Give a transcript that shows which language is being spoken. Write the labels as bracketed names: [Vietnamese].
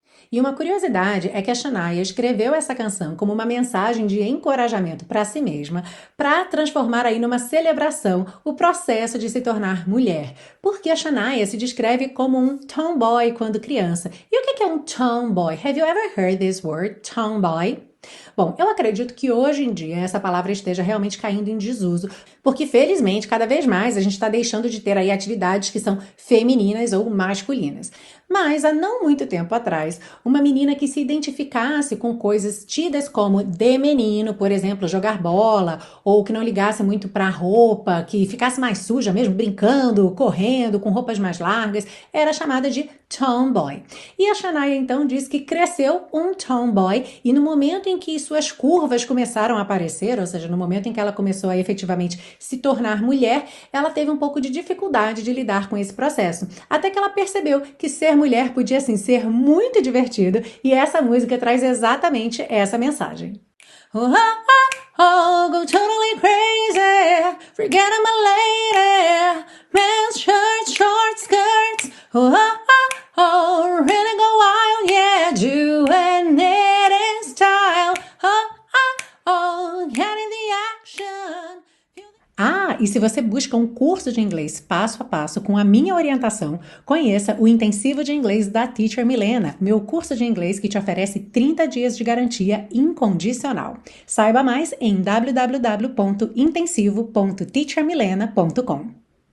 [Portuguese] E uma curiosidade é que a Shania escreveu essa canção como uma mensagem de encorajamento para si mesma, para transformar aí numa celebração o processo de se tornar mulher. Porque a Shania se descreve como um tomboy quando criança. E o que é um tomboy? [English] Have you ever heard this word, tomboy? [Portuguese] Bom, eu acredito que hoje em dia essa palavra esteja realmente caindo em desuso, porque felizmente cada vez mais a gente está deixando de ter aí atividades que são femininas ou masculinas. Mas há não muito tempo atrás, uma menina que se identificasse com coisas tidas como de menino, por exemplo, jogar bola, ou que não ligasse muito para roupa, que ficasse mais suja mesmo, brincando, correndo, com roupas mais largas, era chamada de tomboy. E a Shania então disse que cresceu um tomboy e no momento em que suas curvas começaram a aparecer, ou seja, no momento em que ela começou a efetivamente se tornar mulher, ela teve um pouco de dificuldade de lidar com esse processo. Até que ela percebeu que ser mulher podia assim ser muito divertido e essa música traz exatamente essa mensagem. [English] Oh, oh, oh, go totally crazy, forget I'm a lady, men's shirts, short skirts, oh, oh, oh, really go wild, yeah, doing it in style, oh, oh, oh, getting the action. [Portuguese] Ah, e se você busca um curso de inglês passo a passo com a minha orientação, conheça o Intensivo de Inglês da Teacher Milena, meu curso de inglês que te oferece 30 dias de garantia incondicional. Saiba mais em www.intensivo.teachermilena.com.